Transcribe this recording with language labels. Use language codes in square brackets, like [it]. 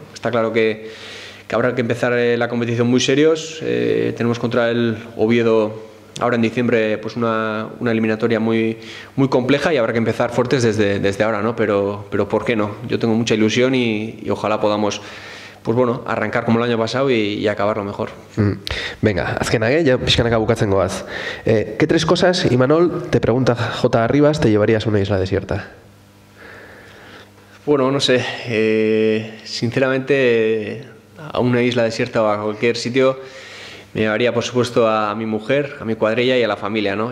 [es] Está claro que habrá que empezar la competición muy serios, tenemos contra el Oviedo ahora en diciembre pues una eliminatoria muy, muy compleja y habrá que empezar fuertes desde ahora, ¿no? Pero ¿por qué no? Yo tengo mucha ilusión y ojalá podamos pues bueno, arrancar como el año pasado y acabar lo mejor. [eu] Venga, azkenak, ya pixkanaka bukatzen goaz. [es] ¿Qué tres cosas, Imanol, te pregunta J. Arribas, te llevarías a una isla desierta? Bueno, no sé. Sinceramente, a una isla desierta o a cualquier sitio me llevaría, por supuesto, a mi mujer, a mi cuadrilla y a la familia, ¿no?